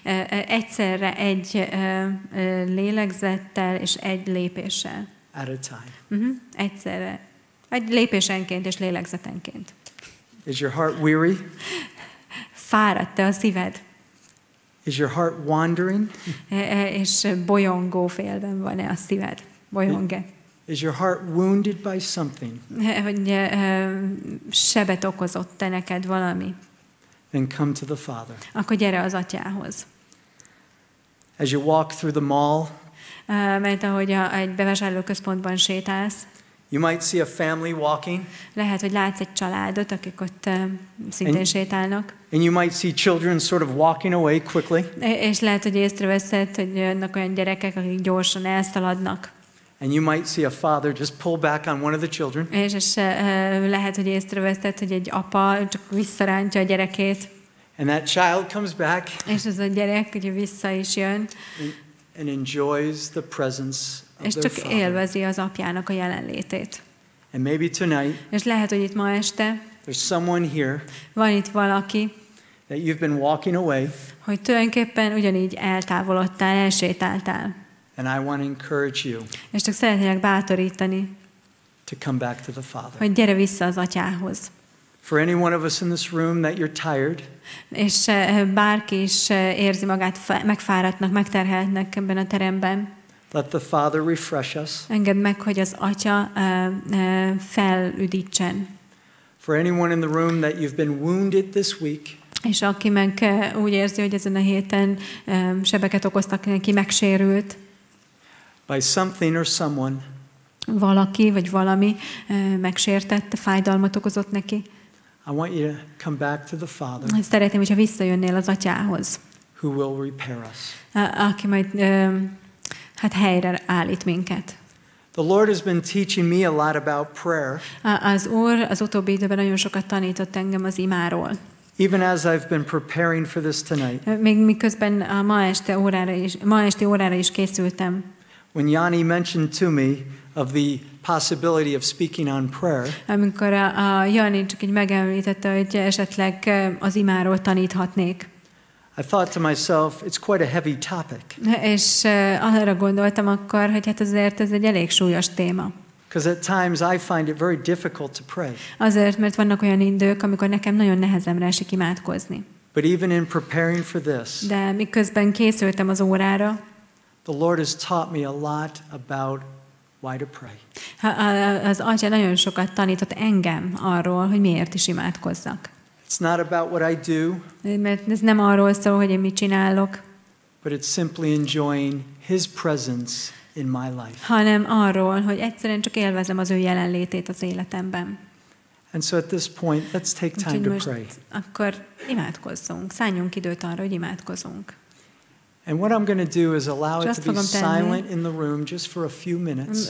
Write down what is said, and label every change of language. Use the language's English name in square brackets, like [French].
[Hungarian] Egyszerre egy lélegzettel és egy lépéssel. [English] At a time. [Hungarian] Egyszerre. Egy lépésenként és lélegzetenként. [English] Is your heart weary? [Hungarian] Fáradt-e a szíved? [English] Is your heart wandering? [Hungarian] És bolyongó félben van-e a szíved? Bolyong-e? [English] Is your heart wounded by something? [Hungarian] Hogy sebet okozott-e neked valami? [English] Then come to the Father. [Hungarian] Akkor gyere az Atyához. [English] As you walk through the mall, [Hungarian] mert ahogy egy bevásárlóközpontban sétálsz, [English] you might see a family walking. [Hungarian] Lehet, hogy látsz egy családot, akik ott szintén sétálnak. [English] And you might see children sort of walking away quickly. [Hungarian] És lehet, hogy észreveszed, hogy jönnek olyan gyerekek, akik gyorsan elszaladnak. [English] And you might see a father just pull back on one of the children. [Hungarian] És lehet, hogy észreveszed, hogy egy apa csak visszarántja a gyerekét. [English] And that child comes back. [Hungarian] És ez a gyerek, hogy vissza is jön. [English] And enjoys the presence of their father. [Hungarian] És csak élvezi az apjának a jelenlétét. [English] And maybe tonight. [Hungarian] És lehet, hogy itt ma este. [English] There's someone here. [Hungarian] Van itt valaki. [English] That you've been walking away. [Hungarian] Hogy tulajdonképpen ugyanígy eltávolodtál, elsétáltál. [English] And I want to encourage you. [Hungarian] És csak szeretnék bátorítani. [English] To come back to the Father. [Hungarian] Hogy gyere vissza az Atyához. [English] For any one of us in this room that you're tired. [Hungarian] És bárki is érzi magát megfáradtnak, megterheltnek ebben a teremben. [English] Let the Father refresh us. [Hungarian] Engedd meg, hogy az Atya felüdítsen. [English] For anyone in the room that you've been wounded this week. [Hungarian] És aki meg úgy érzi, hogy ezen a héten sebeket okoztak neki, megsérült. [English] By something or someone. [Hungarian] Valaki vagy valami megsértette, fájdalmat okozott neki. [English] I want you to come back to the Father. [Hungarian] Szeretném, hogyha visszajönnél az Atyához. [English] Who will repair us? [Hungarian] Aki majd helyre állít minket. [English] The Lord has been teaching me a lot about prayer. [Hungarian] Az Úr az utóbbi időben nagyon sokat tanított engem az imáról. [English] Even as I've been preparing for this tonight. [Hungarian] Még miközben a ma esti órára is készültem. [English] When Yanni mentioned to me of the possibility of speaking on prayer. [Hungarian] Amikor a Jani csak így megemlítette, hogy esetleg az imáról taníthatnék. [English] I thought to myself, it's quite a heavy topic. [Hungarian] És arra gondoltam akkor, hogy hát azért ez egy elég súlyos téma. [English] Because at times I find it very difficult to pray. [Hungarian] Azért, mert vannak olyan idők, amikor nekem nagyon nehezemre esik imádkozni. [English] But even in preparing for this. [Hungarian] De miközben készültem az órára. [English] The Lord has taught me a lot about why to pray. [Hungarian] Az Atya nagyon sokat tanított engem arról, hogy miért is imádkozzak. [English] It's not about what I do. [Hungarian] Mert ez nem arról szól, hogy én mit csinálok. [English] But it's simply enjoying His presence in my life. [Hungarian] Hanem arról, hogy egyszerűen csak élvezem az Ő jelenlétét az életemben. [English] And so at this point, let's take time to pray. [Hungarian] Akkor imádkozzunk, szálljunk időt arra, hogy imádkozunk. [English] And what I'm going to do is allow it to be silent in the room just for a few minutes.